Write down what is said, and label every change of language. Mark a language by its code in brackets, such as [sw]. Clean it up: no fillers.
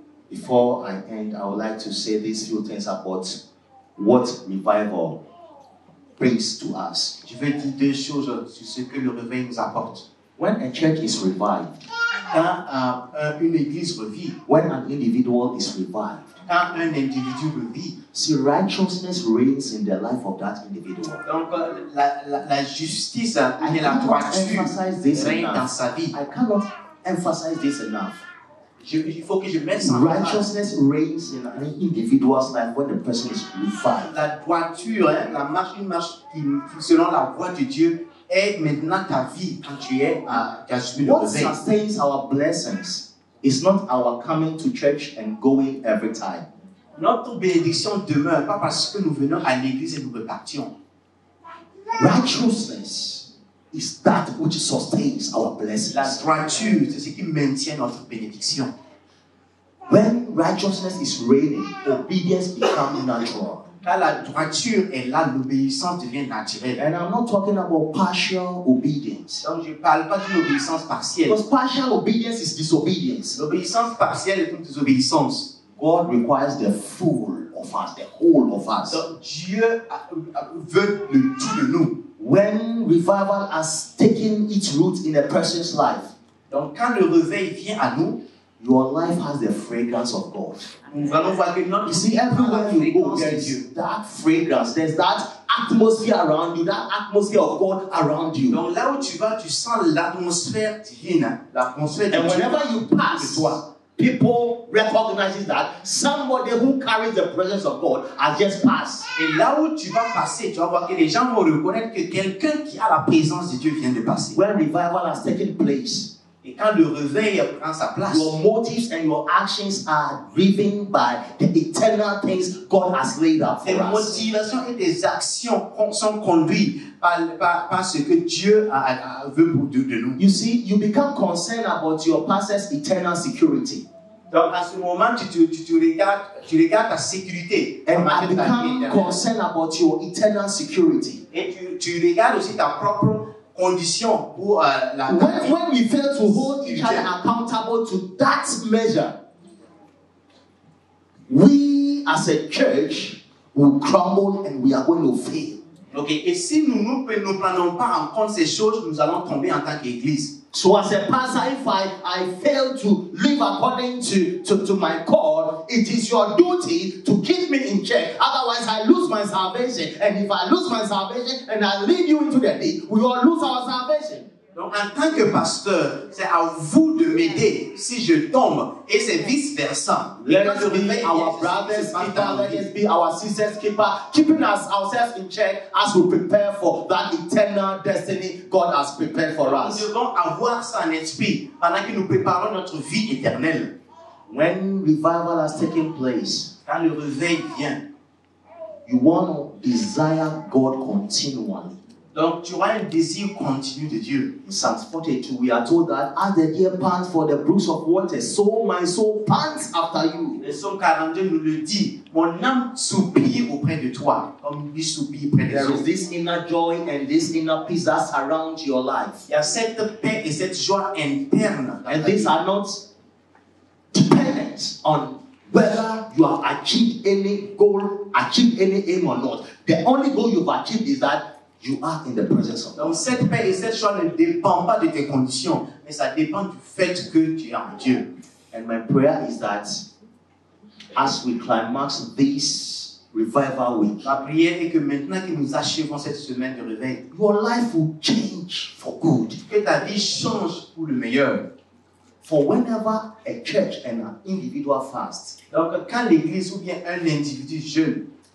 [en] Before I end, I would like to say these few things about what revival brings to us. [fr] Je veux dire deux choses sur ce que le réveil nous apporte. [en] When a church is revived, [fr] quand une église revit, [en] when an individual is revived, [fr] quand un individu revit, [en] see, righteousness reigns in the life of that individual. [fr] Donc la justice et la droiture règnent dans sa vie. [en] I cannot emphasize this enough. [fr] Il faut que je mette ça. [en] Righteousness reigns in an individual's life when the person is revived. [fr] La droiture, la marche, une marche qui, selon la voix de Dieu, est maintenant ta vie quand tu es à ta suite. [en] What sustains our blessings is not our coming to church and going every time. [fr] Notre bénédiction demeure pas parce que nous venons à l'église et nous repartions. [en] Righteousness is that which sustains our blessings. [fr] La droiture, c'est ce qui maintient notre bénédiction. [en] When righteousness is reigning, obedience becomes natural. [fr] Quand la droiture est là, l'obéissance devient naturelle. [en] And I'm not talking about partial obedience. [fr] Donc je ne parle pas d'une obéissance partielle. [en] Because partial obedience is disobedience. [fr] L'obéissance partielle est une désobéissance. [en] God requires the full of us, the whole of us. [fr] Donc Dieu veut le tout de nous. [en] When revival has taken its root in a person's life, [fr] donc quand le réveil vient à nous, [en] your life has the fragrance of God. You see, everywhere you go, there is that fragrance. There's that atmosphere around you, that atmosphere of God around you. [fr] Donc là où tu vas, tu sens l'atmosphère divine, l'atmosphère de Dieu. [en] And whenever you pass, people recognize that somebody who carries the presence of God has just passed. [fr] Et là où tu vas passer, tu vas voir que les gens vont reconnaître que quelqu'un qui a la présence de Dieu vient de passer. [en] When revival has taken place. [fr] Et quand le réveil prend sa place, [en] your motives and your actions are driven by the eternal things God has laid out for us. [fr] Tes motivations et tes actions sont conduites par ce que Dieu a veut pour Dieu de nous. [en] You see, you become concerned about your pastor's eternal security. [fr] Donc à ce moment, tu regardes ta sécurité. [en] And I become concerned about your eternal security. [fr] Et tu regardes aussi ta propre condition pour la [en] when we fail to hold each other accountable to that measure, we as a church will crumble and we are going to fail. [fr] Okay, et si nous prenons pas en compte ces choses, nous allons tomber en tant qu'église. [en] So as a pastor, if I fail to live according to my call, it is your duty to keep me in check. Otherwise, I lose my salvation. And if I lose my salvation and I lead you into the deep, we all lose our salvation. [fr] Donc, en tant que pasteur, c'est à vous de m'aider si je tombe, et c'est vice versa. [en] Let us be our brothers, let us be our sisters, keeper, keeping us ourselves in check as we prepare for that eternal destiny God has prepared for us. [fr] Nous devons avoir ça en esprit pendant que nous préparons notre vie éternelle. [en] When revival has taken place, [fr] quand le réveil vient, [en] you want to desire God continually. [fr] Donc, tu vois un désir continu de Dieu. [en] In Psalms 42, we are told that as the deer pants for the brooks of water, so my soul pants after you. [fr] Le psaume 42 nous le dit, mon âme soupire auprès de toi. Comme lui soupire auprès de toi. [en] There is this inner joy and this inner peace that surrounds your life. [fr] Il y a cette paix et cette joie interne. [en] And these are not dependent on whether you have achieved any goal, achieved any aim or not. The only goal you've achieved is that you are in the presence of God. [fr] Donc cette paix et cette joie ne dépend pas de tes conditions, mais ça dépend du fait que tu es en Dieu. [en] And my prayer is that as we climax this revival week, [fr] ma prière est que maintenant que nous achevons cette semaine de réveil, [en] your life will change for good. [fr] Que ta vie change pour le meilleur. [en] For whenever a church and an individual fast, [fr] donc quand l'église ou bien un individu jeûne,